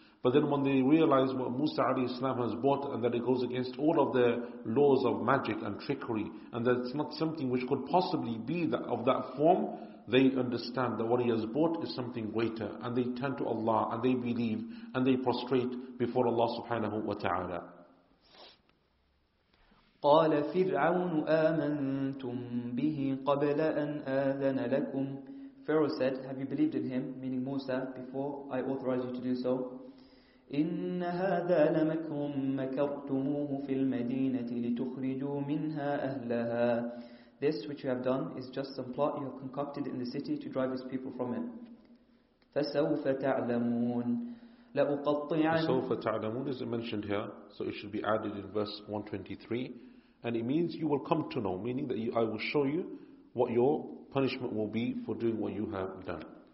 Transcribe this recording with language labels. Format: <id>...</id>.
<en>But then when they realize what Musa alayhi salam has bought, and that it goes against all of their laws of magic and trickery, and that it's not something which could possibly be that, of that form, they understand that what he has bought is something greater. And they turn to Allah, and they believe, and they prostrate before Allah subhanahu wa ta'ala.</en> <ar>قال فرعون آمنتم به قبل أن آذن لكم.</ar> <en>Pharaoh said, have you believed in him, meaning Musa, before I authorize you to do so?</en> <ar>إن هذا لمكرٌ مكرتموه في المدينة لتخرجوا منها أهلها.</ar> <en>This which you have done is just some plot you have concocted in the city to drive his people from it.</en> <ar>فسوف تعلمون. سوف تعلمون</ar> <en>is mentioned here, so it should be added in verse 123. And it means you will come to know, meaning that I will show you what your punishment will be for doing what you have done.</en>